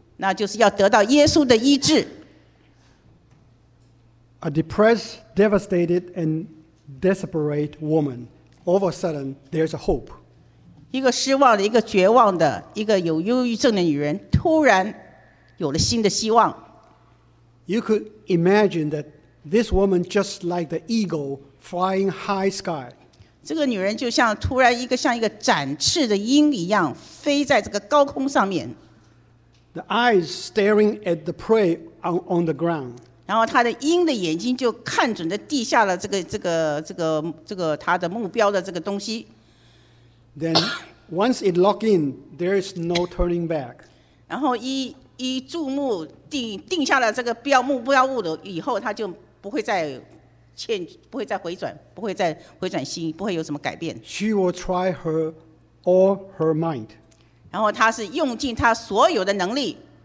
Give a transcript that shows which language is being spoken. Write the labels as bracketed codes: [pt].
[zh] 那就是要得到耶稣的医治。 [en] A depressed, devastated, and desperate woman. All of a sudden, there's a hope. [zh] 一个失望的，一个绝望的，一个有忧郁症的女人，突然有了新的希望。 [en] You could imagine that this woman just like the eagle flying high sky. [zh] 这个女人就像突然一个像一个展翅的鹰一样飞在这个高空上面。 [en] The eyes staring at the prey on the ground. [zh] 然后她的鹰的眼睛就看准了地下的这个她的目标的这个东西。 [en] Then once it lock in, there is no turning back. [zh] 然后一注目定下了这个目标物的以后，她就不会再。不会再回转，不会再回转心，不会有什么改变。 [en] She will try her all her might. [zh] 然后她是用尽她所有的能力。